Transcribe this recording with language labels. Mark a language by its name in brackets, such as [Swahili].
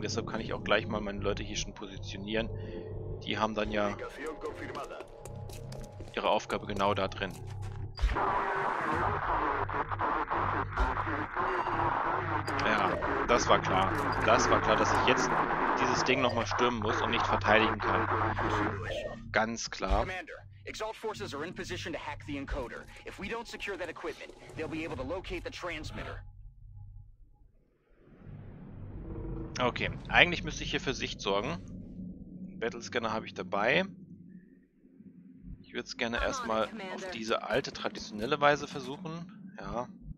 [German] Deshalb kann ich auch gleich mal meine Leute hier schon positionieren. Die haben dann ja ihre Aufgabe genau da drin. Ja, das war klar. Das war klar, dass ich jetzt dieses Ding nochmal stürmen muss und nicht verteidigen kann. Ganz klar. [English] Exalt forces are in position to hack the encoder. If we don't secure that equipment, they'll be able to locate the transmitter. [German] Okay, eigentlich müsste ich hier für Sicht sorgen. Battlescanner habe ich dabei. Ich würde es gerne erstmal auf diese alte, traditionelle Weise versuchen. Ja.